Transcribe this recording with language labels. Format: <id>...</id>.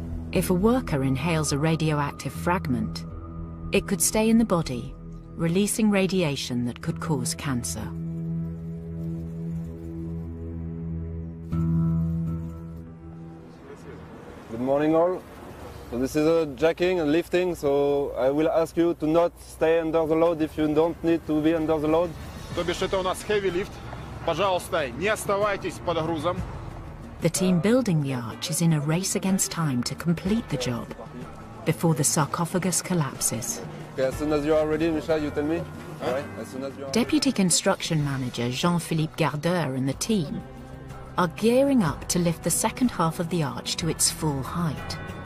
<en>If a worker inhales a radioactive fragment, it could stay in the body, releasing radiation that could cause cancer. Good morning, all. So this is a jacking and lifting, so I will ask you to not stay under the load if you don't need to be under the load.</en> <ru>То бишь это у нас heavy lift. Пожалуйста, не оставайтесь под грузом.</ru> <en>The team building the arch is in a race against time to complete the job before the sarcophagus collapses. Okay, as soon as you are ready, Michel, you tell me. Huh? All right, as soon as you are Deputy ready. Construction Manager Jean-Philippe Gardeur and the team are gearing up to lift the second half of the arch to its full height.</en>